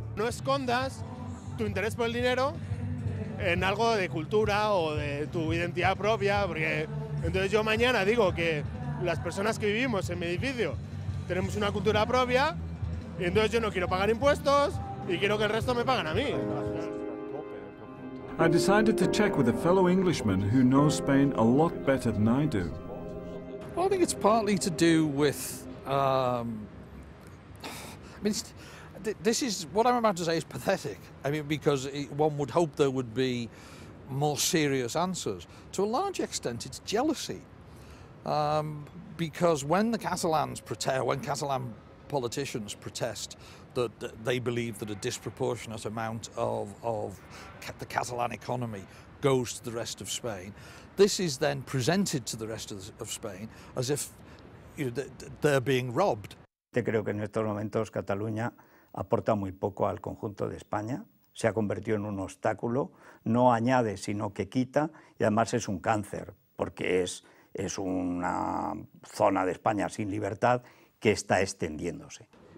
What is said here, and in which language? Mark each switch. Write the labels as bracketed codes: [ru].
[es] No escondas tu interés por el dinero en algo de cultura o de tu identidad propia, porque entonces yo mañana digo que las personas que vivimos en mi edificio tenemos una cultura propia y entonces yo no quiero pagar impuestos y quiero que el resto me paguen a mí. [en] I decided to check with a fellow Englishman who knows Spain a lot better than I do. Well, I think it's partly to do with, I mean, this is, what I'm about to say is pathetic. I mean, because one would hope there would be more serious answers. To a large extent, it's jealousy. Because when the Catalans protest, when Catalan politicians protest, that they believe that a disproportionate amount of the Catalan economy goes to the rest of Spain. This is then presented to the rest of Spain as if, you know, they're being robbed. [es] Yo creo que en estos momentos Cataluña aporta muy poco al conjunto de España. Se ha convertido en un obstáculo. No añade, sino que quita. Y además es un cáncer, porque es una zona de España sin libertad que está extendiéndose.